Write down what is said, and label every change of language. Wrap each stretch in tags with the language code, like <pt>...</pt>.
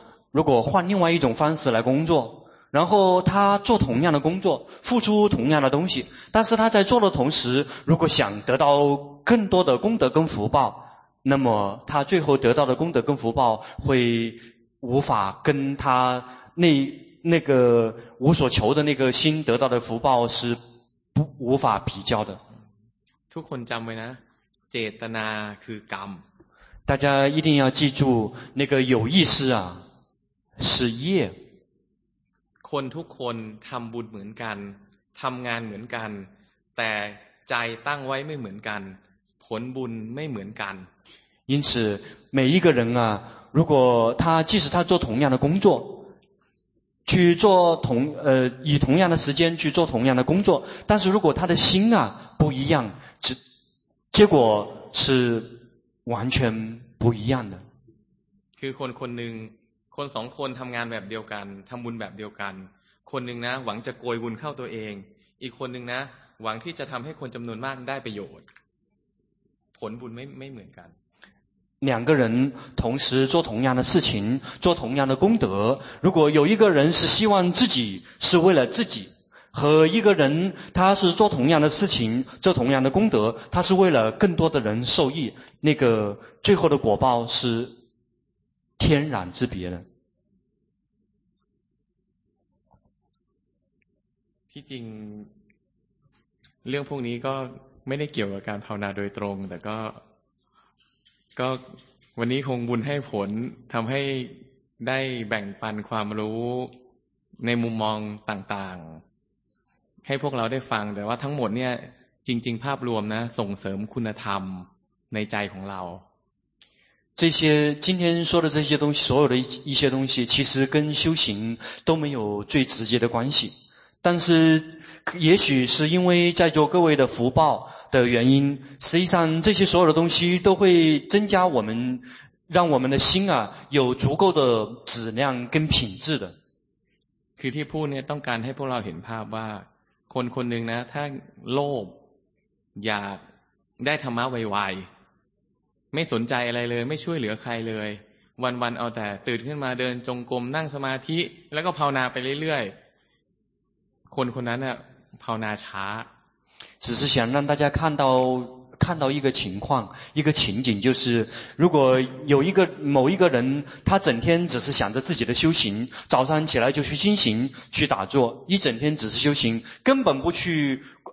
<zh>如果换另外一种方式来工作然后他做同样的工作付出同样的东西但是他在做的同时如果想得到更多的功德跟福报那么他最后得到的功德跟福报会无法跟他那个无所求的那个心得到的福报是不无法比较的</zh> <th>ทุกคนจำไว้นะเจตนาคือกรรม</th> <zh>大家一定要记住那个有意思啊是业</zh> <th>คนทุกคนทำบุญเหมือนกันทำงานเหมือนกันแต่ใจตั้งไว้ไม่เหมือนกันผลบุญไม่เหมือนกัน</th> <zh>因此每一个人啊如果他即使他做同样的工作去做以同样的时间去做同样的工作但是如果他的心啊不一样结果是完全不一样的</zh> <th>คือคนคนหนึ่งคนสองคนทำงานแบบเดียวกันทำบุญแบบเดียวกันคนหนึ่งนะหวังจะโกยบุญเข้าตัวเองอีกคนหนึ่งนะหวังที่จะทำให้คนจำนวนมากได้ประโยชน์ผลบุญไม่เหมือนกัน</th> <zh>两个人同时做同样的事情做同样的功德如果有一个人是希望自己是为了自己和一个人他是做同样的事情做同样的功德他是为了更多的人受益那个最后的果报是天壤之别的</zh> <th>ที่จริงเรื่องพวกนี้ก็ไม่ได้เกี่ยวกับการภาวนาโดยตรงแต่ก็วันนี้คงบุญให้ผลทำให้ได้แบ่งปันความรู้ในมุมมองต่างๆให้พวกเราได้ฟังแต่ว่าทั้งหมดเนี่ยจริงๆภาพรวมนะส่งเสริมคุณธรรมในใจของเรา</th> <zh>这些今天说的这些东西所有的一些东西其实跟修行都没有最直接的关系但是也许是因为在座各位的福报的原因实际上这些所有的东西都会增加我们让我们的心啊有足够的质量跟品质的。</zh> <th>คือที่พูดเนี่ยต้องการให้พวกเราเห็นภาพว่าคนคนหนึ่งนะถ้าโลภอยากได้ธรรมะไวๆไม่สนใจอะไรเลยไม่ช่วยเหลือใครเลยวันๆเอาแต่ตื่นขึ้นมาเดินจงกรมนั่งสมาธิแล้วก็ภาวนาไปเรื่อยๆคนคนนั้นน่ะภาวนาช้า</th> <zh>只是想让大家看到一个情况一个情景就是如果有一个某一个人他整天只是想着自己的修行早上起来就去修行去打坐一整天只是修行根本不去</zh>